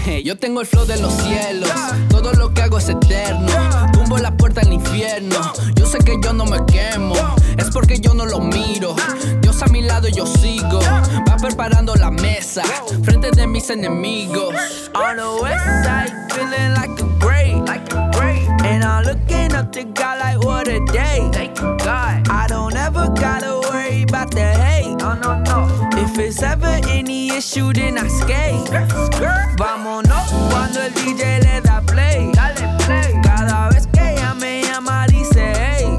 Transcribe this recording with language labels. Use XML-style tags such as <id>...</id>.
<es>Yo tengo el flow de los cielos, todo lo que hago es eterno. Tumbo la puerta al infierno, yo sé que yo no me quemo. Es porque yo no lo miro, Dios a mi lado yo sigo. Va preparando la mesa, frente de mis enemigos.</es> <en>Wesside feeling like a great, like a great. And I'm looking up to God like what a day. Thank you, God. I don't ever gotta worry about the hate. No, no, no. If it's ever any issue, then I skate.</en> <es>Vámonos cuando el DJ le da play. Dale play. Cada vez que ella me llama, dice, hey,</es>